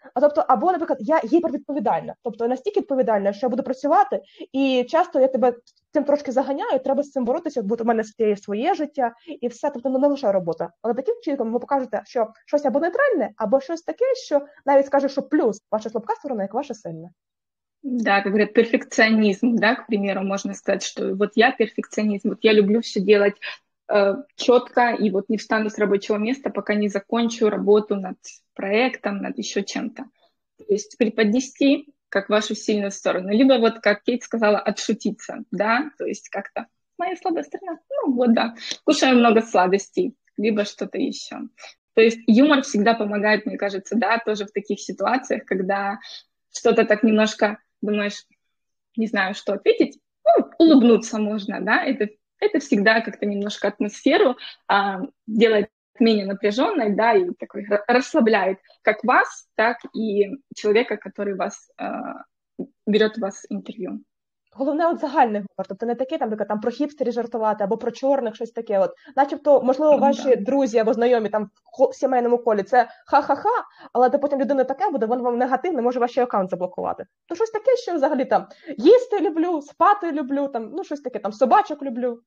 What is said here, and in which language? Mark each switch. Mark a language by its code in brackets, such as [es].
[uk] А тобто, або, наприклад, я гіпервідповідальна. Тобто, настільки відповідальна, що я буду працювати, і часто я тебе цим трошки заганяю, треба з цим боротися, бо у мене є своє життя, і все, тобто, ну, не лише робота. Але таким чином ви покажете, що щось або нейтральне, або щось таке, що навіть скаже, що плюс ваша слабка сторона, як ваша сильна. [ru] Да, как говорят, перфекционизм, да, к примеру, можно сказать, что вот я перфекционист, вот я люблю все делать четко и вот не встану с рабочего места, пока не закончу работу над проектом, над еще чем-то. То есть преподнести как вашу сильную сторону, либо вот, как Кейт сказала, отшутиться, да, то есть как-то, моя слабая сторона? Ну вот, да. Кушаю много сладостей, либо что-то еще. То есть юмор всегда помогает, мне кажется, да, тоже в таких ситуациях, когда что-то так немножко думаешь, не знаю, что ответить, ну, улыбнуться можно, да, это всегда как-то немножко атмосферу делает менее напряженной, да, и такой расслабляет как вас, так и человека, который вас берет у вас интервью. [uk] Головне, от загальний гумор, тобто не таке, там, наприклад, там про хіпстерів жартувати або про чорних щось таке. От, начебто, можливо, ваші друзі або знайомі там в сімейному колі це ха-ха-ха, але то потім людина таке буде, вона вам негативна, може ваш аккаунт заблокувати. То щось таке, що взагалі там їсти люблю, спати люблю, там ну щось таке, там собачок люблю.